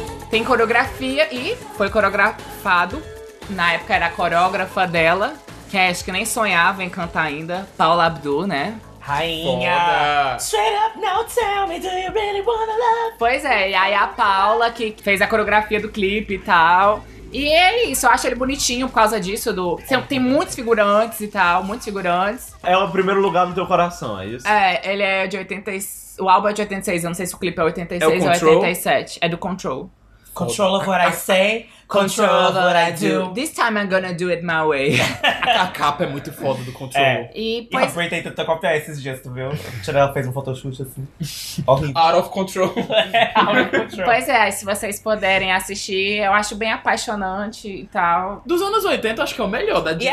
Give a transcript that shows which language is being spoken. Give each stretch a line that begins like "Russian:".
Portuguese: Tem coreografia e foi coreografado, na época era a coreógrafa dela, que acho que nem sonhava em cantar ainda, Paula Abdul, né? Rainha! Foda.
English: Straight up now, tell me, do you really wanna love?
Portuguese: Pois é, e aí a Paula, que fez a coreografia do clipe e tal. E é isso, eu acho ele bonitinho por causa disso, do. Tem muitos figurantes e tal, muitos figurantes. É o primeiro lugar no teu coração, é isso? É, ele é de 86. O álbum é de 86, eu não sei se o clipe é 86 ou 87. É do Control.
English: Control of what I say, control of what I do. This time I'm gonna do it my way.
Portuguese: A capa é muito foda do Control. É. E, pois... e a Britney tentou copiar esses dias, tu viu? Ela fez um photoshoot assim.
English: Out of control.
Portuguese: Pois é, se vocês puderem assistir, eu acho bem apaixonante e tal. Dos anos 80, acho que é o melhor da Disney.